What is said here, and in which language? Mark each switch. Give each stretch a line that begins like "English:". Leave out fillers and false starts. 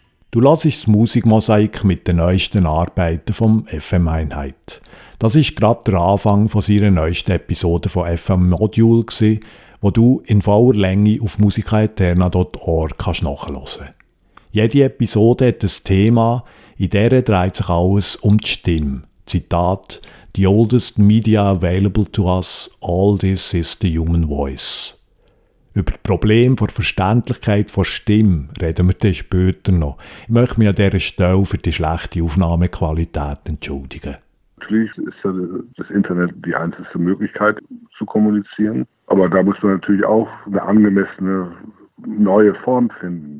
German: Du lässt das MusikMosaik mit den neuesten Arbeiten vom FM Einheit. Das ist gerade der Anfang von seiner neuesten Episode von FM Modul gsi, wo du in voller Länge auf musikaeterna.org kannst nachhören. Jede Episode hat ein Thema, in der dreht sich alles um die Stimme,
English: Zitat, the oldest media available to us, all this is the human voice.
German: Über das Problem der Verständlichkeit der Stimme reden wir dann später noch. Ich möchte mich an dieser Stelle für die schlechte Aufnahmequalität entschuldigen. Natürlich ist das Internet die einzige Möglichkeit zu kommunizieren. Aber da muss man natürlich auch eine angemessene neue Form finden.